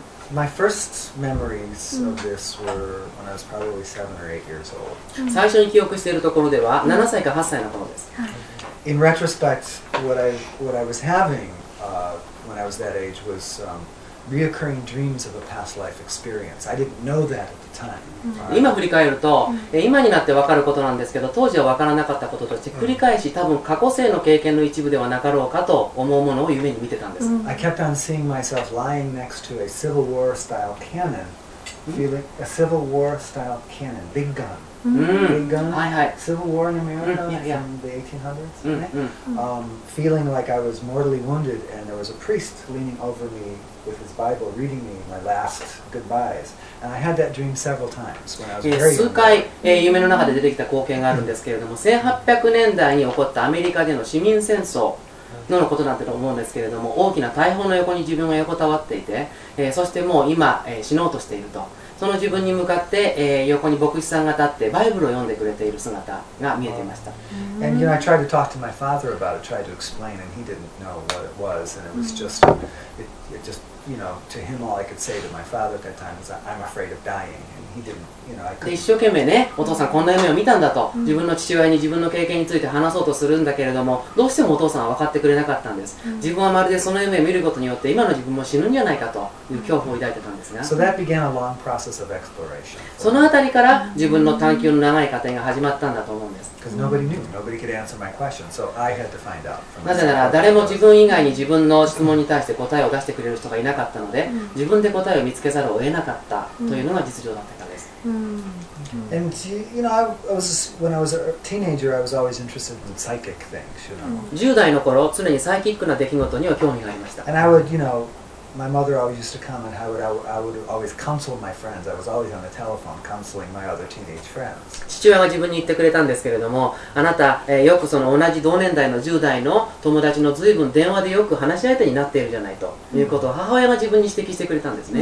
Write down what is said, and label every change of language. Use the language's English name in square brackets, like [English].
[English] My first memories of this were when I was probably 7 or 8 years old. [Japanese] 最初に記憶しているところでは、7歳か8歳の頃です。 [English] In retrospect, what I was having when I was that age was reoccurring dreams of a past life experience. I didn't know that at the time. [Japanese] 今振り返ると、今になって分かることなんですけど、当時は分からなかったこととして、繰り返し多分過去生の経験の一部ではなかろうかと思うものを夢に見てたんです。 [English] I kept on seeing myself lying next to a Civil War style cannon, feeling a Civil War style cannon, big gun. Civil War in America from the 1800s. Feeling like I was mortally wounded, and there was a priest leaning over me with his Bible, reading me my last goodbyes. And I had that dream several times when I was very young. [Japanese] 数回、夢の中で出てきた光景があるんですけれども、1800年代に起こったアメリカでの市民戦争のことなんて思うんですけれども、大きな大砲の横に自分が横たわっていて、そしてもう今、死のうとしていると。その自分に向かって、横に牧師さんが立ってバイブルを読んでくれている姿が見えていました。 [English] And you know, I tried to talk to my father about it, tried to explain, and he didn't know what it was, and it was just, it just, you know, to him all I could say to my father at that time was, I'm afraid of dying, and he didn't, you know, I couldn't. [Japanese] 一生懸命ね、お父さんこんな夢を見たんだと、自分の父親に自分の経験について話そうとするんだけれども、どうしてもお父さんは分かってくれなかったんです。自分はまるでその夢を見ることによって、今の自分も死ぬんじゃないかという恐怖を抱いてたんですが。 [English] So that began a long process of exploration. [Japanese] そのあたりから自分の探求の長い過程が始まったんだと思うんです。 [English] Because nobody knew, nobody could answer my question, so I had to find out. [Japanese] なぜなら誰も自分以外に自分の質問に対して答えを出してくれる人がいなかったので、自分で答えを見つけざるを得なかったというのが実情だったからです。 [English] And you know, when I was a teenager, I was always interested in psychic things. You know, [Japanese] 10代の頃常にサイキックな出来事には興味がありました。 [English] And I would, you know. My mother always used to come and I would always counsel my friends. I was always on the telephone counseling my other teenage friends. [Japanese] 父親が自分に言ってくれたんですけれども、あなた、よくその同じ同年代の10代の友達の随分電話でよく話し相手になっているじゃないと、いうことを母親が自分に指摘してくれたんですね。